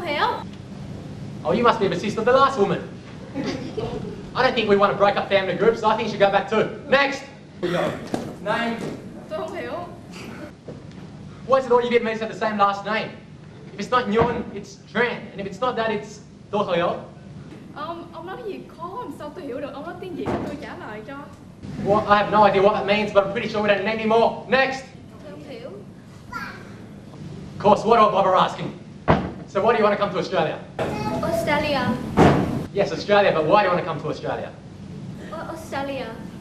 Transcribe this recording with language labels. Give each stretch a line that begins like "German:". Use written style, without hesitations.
English: Hale. Oh, you must be the sister of the last woman. I don't think we want to break up family groups. I think you should go back too. Next! Here we go. Name? Duncan Hale. Why is it all you Vietnamese have the same last name? If it's not Nguyen, it's Tran. And if it's not that, it's Duncan Hale.
Vietnamese: Ông nói gì? Khó làm sao tôi hiểu được. Ông nói tiếng Việt, tôi trả lời cho.
English: Well, I have no idea what that means, but I'm pretty sure we don't need any more. Next! Who? Of course, what old Bobber asking? So why do you want to come to Australia? Australia. Yes, Australia, but why do you want to come to Australia? Australia.